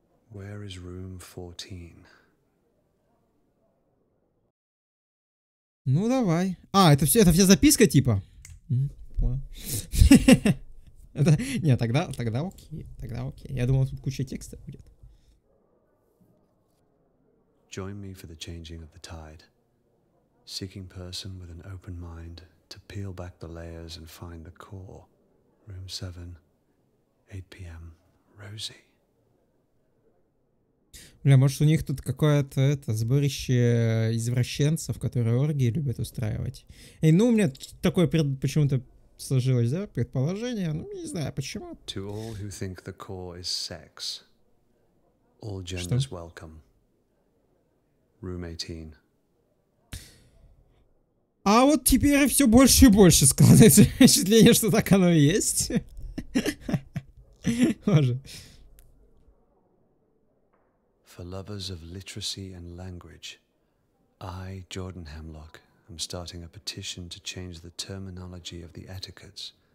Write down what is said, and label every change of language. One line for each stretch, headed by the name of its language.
English: Where is room 14?
Russian: Ну давай. А, это все записка типа? Не, тогда окей. Я думал, тут куча текста будет.
English: Join me for the changing of the tide. Seeking person with an open mind to peel back the layers and find the core. Room 7, 8 p.m. Rosie.
Russian: Бля, может у них тут какое-то это сборище извращенцев, которые оргии любят устраивать. И ну у меня такое почему-то сложилось, да, предположение, ну не знаю почему.
English: To all who think the core is sex, all genders welcome. Room 18.
Russian: А вот теперь все больше и больше складывается впечатление, что так оно и есть. Боже.
English: For lovers of literacy and language, I, Jordan Hemlock, am starting a petition to change the terminology of the etiquettes.